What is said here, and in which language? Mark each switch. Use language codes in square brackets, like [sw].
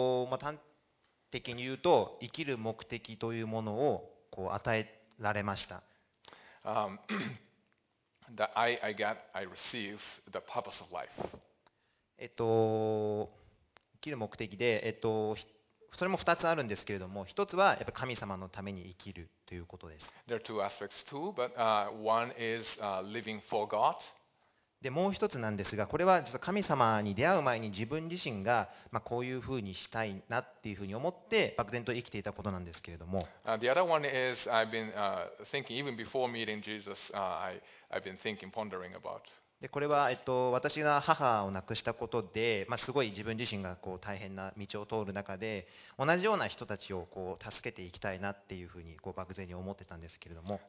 [ja] まあ、端的に言うと生きる目的というものをこう与えられました。 [en] I received the purpose of life. [ja] 生きる目的で、それも2つあるんですけれども、1つはやっぱ神様のために生きるということです。 [en] There are two aspects too, but one is living for God. [ja] で、もう1つなんですが、これは実は神様に出会う前に自分自身が、まあ、こういうふうにしたいなっていうふうに思って漠然と生きていたことなんですけれども。 [en] The other one is I've been thinking even before meeting Jesus, I've been thinking, pondering about. [ja] でこれは私が母を亡くしたことで、まあ、すごい自分自身がこう大変な道を通る中で同じような人たちをこう助けていきたいなっていうふうにこう漠然に思ってたんですけれども、